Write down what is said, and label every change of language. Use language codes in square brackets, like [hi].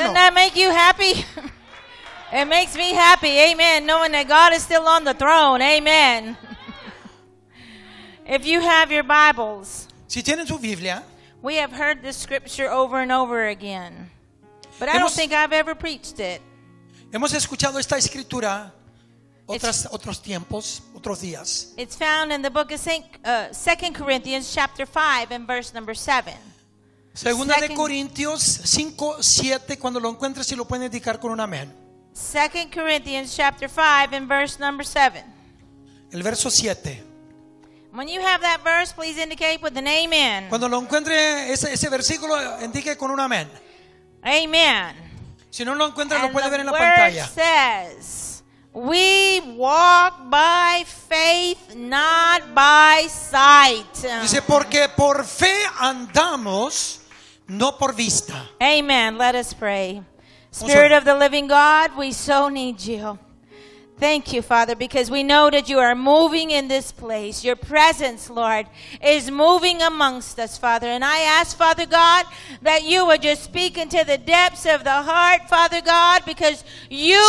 [en] Doesn't that make you happy? It makes me happy. Amen. Knowing that God is still on the throne. Amen. If you have your Bibles, [es] si tienen su Biblia, [en] we have heard this scripture over and over again. But I don't think I've ever preached it. [es] Hemos escuchado esta escritura otros tiempos, otros días. [en] It's found in the book of 2 Corinthians chapter 5 and verse number 7. [es] Segunda de Corintios 5:7, cuando lo encuentres y lo puedes indicar con un amén. [en] 2 Corinthians chapter 5 and verse number 7. [es] El verso 7. [en] When you have that verse, please indicate with an amen. [es] Cuando lo encuentre ese versículo, indique con un amén. [en] Amen. [es] Si no lo encuentra, [en] and [es] lo puede ver en la [en] word [es] pantalla. [en] Says, we walk by faith, not by sight. [es] Dice, porque por fe andamos, no por vista. [en] Amen. Let us pray. Spirit of the living God, we so need you. Thank you, Father, because we know that you are moving in this place. Your presence, Lord, is moving amongst us, Father. And I ask, Father God, that you would just speak into the depths of the heart, Father God, because you